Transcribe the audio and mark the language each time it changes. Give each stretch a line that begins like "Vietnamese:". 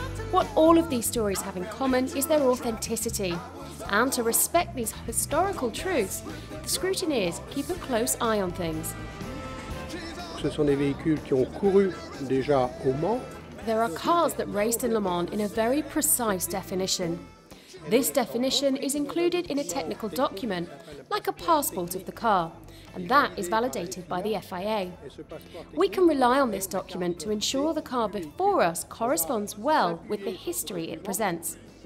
English: What all of these stories have in common is their authenticity. And to respect these historical truths, the scrutineers keep a close eye on things.
French: Ce sont des véhicules qui ont couru déjà au Mans.
English: There are cars that raced in Le Mans in a very precise definition. This definition is included in a technical document, like a passport of the car, and that is validated by the FIA. We can rely on this document to ensure the car before us corresponds well with the history it presents.